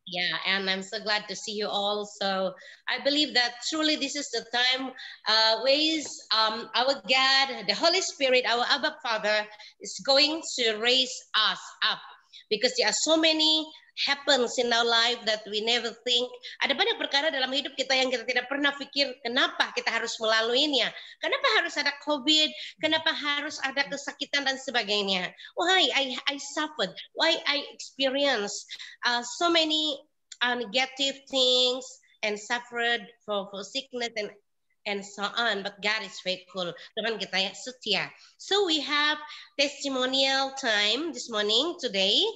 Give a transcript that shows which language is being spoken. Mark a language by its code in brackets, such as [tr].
[en] Yeah, and I'm so glad to see you all. So I believe that truly this is the time our God, the Holy Spirit, our Abba Father, is going to raise us up. Because there are so many happens in our life that we never think. [id] Ada banyak perkara dalam hidup kita yang kita tidak pernah pikir kenapa kita harus melaluinya. Kenapa harus ada COVID? Kenapa harus ada kesakitan dan sebagainya? [en] Why I suffered? Why I experienced so many negative things and suffered for sickness and so on. But God is faithful. [id] Tuhan kita yang setia. [en] So we have testimonial time this morning, today.